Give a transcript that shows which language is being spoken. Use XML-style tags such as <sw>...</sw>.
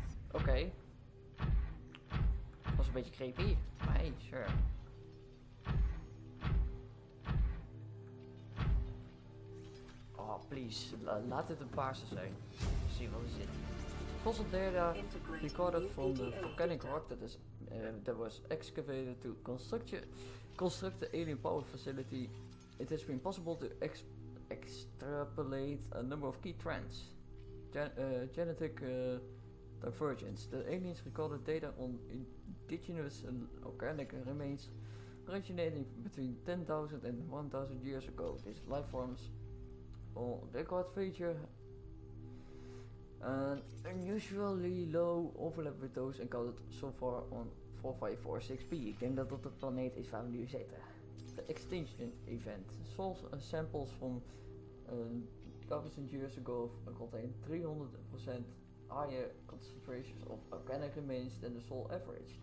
<nl>Oké. Was een beetje creepy.</nl> <en>Hey, sure. Oh, please.</en> <nl>Laat dit een paarse zijn.</nl> <en>Let's see what</en> <nl>we zien wat er zit.</nl> <en>Data recorded from the volcanic rock that was excavated to construct the alien power facility. It has been possible to extrapolate a number of key trends. Genetic divergence. The aliens recorded data on indigenous and organic remains originating between 10,000 and 1,000 years ago. These life forms on record feature an unusually low overlap with those encountered so far on 4546b.</en> <nl>Ik denk dat dat de planeet is waar we nu zitten.</nl> <en>The extinction event. Samples from 1,000 years ago contain 300% higher concentrations of organic remains than the soil average.</en>